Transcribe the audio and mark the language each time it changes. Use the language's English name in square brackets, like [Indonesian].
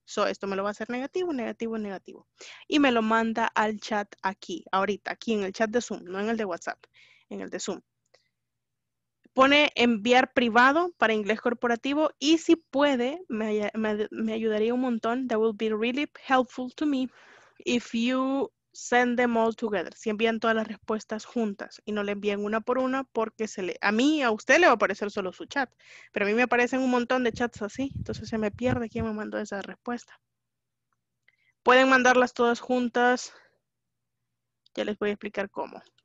[Spanish] So, esto me lo va a hacer negativo, negativo, negativo. Y me lo manda al chat aquí, ahorita, aquí en el chat de Zoom, no en el de WhatsApp, en el de Zoom. Pone enviar privado para inglés corporativo y si puede, me ayudaría un montón. [English] That will be really helpful to me if you send them all together. [Spanish] Si envían todas las respuestas juntas y no le envían una por una porque se le, a mí, a usted le va a aparecer solo su chat. Pero a mí me aparecen un montón de chats así. Entonces se me pierde quién me mandó esa respuesta. Pueden mandarlas todas juntas. Ya les voy a explicar cómo.